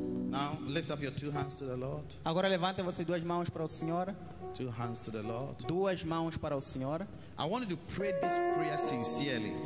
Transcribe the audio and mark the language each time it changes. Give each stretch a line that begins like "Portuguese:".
English: Now lift up your two hands to the Lord.
Portuguese: Agora levanta você duas mãos para o Senhor.
English: Two hands to the Lord.
Portuguese: Duas mãos para o Senhor.
English: I want you to pray this prayer sincerely.